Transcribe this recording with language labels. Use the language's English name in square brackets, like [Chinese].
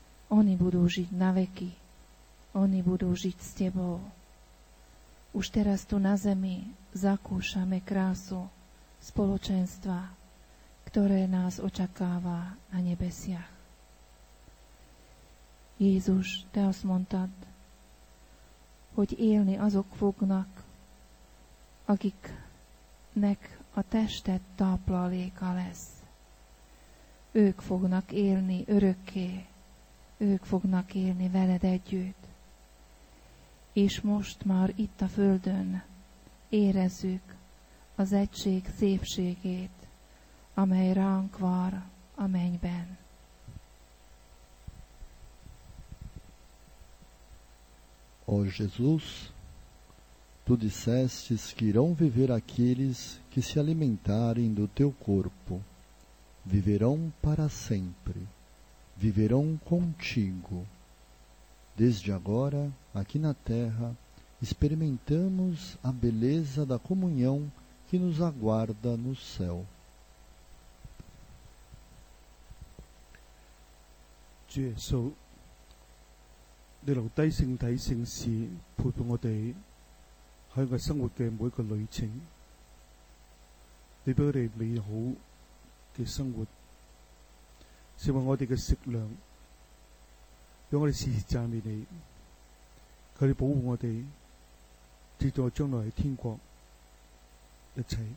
[Slovak] Oni budú žiť na veky. Oni budú žiť s Tebou. Už teraz tu na zemi zakúšame krásu spoločenstva, ktoré nás očakáva na nebesiach. [Hungarian] Jézus, te azt mondtad, hogy élni azok fognak, akiknek a testet tápláléka lesz. Ők fognak élni örökké, ők fognak élni veled együtt. És most már itt a földön érezzük az egység szépségét, Amei ran kvar, amei ben. [Portuguese] Ó Jesus, tu dissestes que irão viver aqueles que se alimentarem do teu corpo. Viverão para sempre. Viverão contigo. Desde agora, aqui na terra, experimentamos a beleza da comunhão que nos aguarda no céu. [Cantonese] Jesus,你留低身体圣事陪伴我们在生活的每一个旅程，你俾我们美好的生活，成为我们的食粮，让我们时时赞美你，求你保护我们，直到将来天国一切。